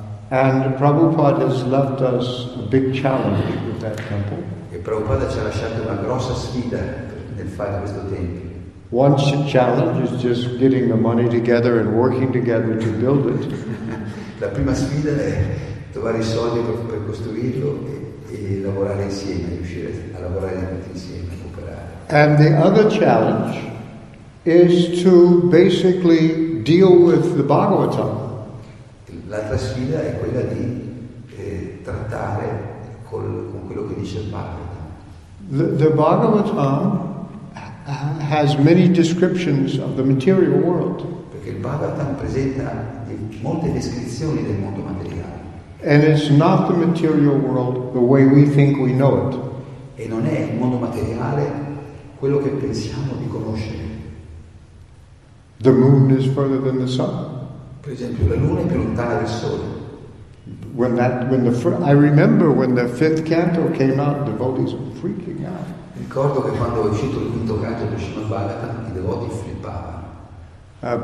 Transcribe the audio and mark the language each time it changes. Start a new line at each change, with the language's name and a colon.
English: And Prabhupada has left us a big challenge with that temple.
Italian: E Prabhupada ci ha lasciato una grossa sfida nel fare questo tempio.
English: One challenge is just getting the money together and working together to build it.
Italian: La prima sfida è trovare i soldi per costruirlo e lavorare insieme, riuscire a lavorare tutti insieme, a cooperare.
English: And the other challenge is to basically deal with the Bhagavatam.
Italian: L'altra sfida è quella di trattare con quello che dice il Bhagavatam.
English: The Bhagavatam has many descriptions of the material world.
Italian: Perché il Bhagavatam presenta molte descrizioni del mondo materiale.
English: And it's not the material world the way we think we know it.
Italian: E non è il mondo materiale quello che pensiamo di conoscere.
English: The moon is further than the sun.
Italian: Per esempio, la luna è più lontana del sole.
English: I remember when the fifth canto came out, devotees were freaking out.
Italian: Ricordo che quando è uscito il quinto canto di Srimad Bhagavatam, i devoti flippavano.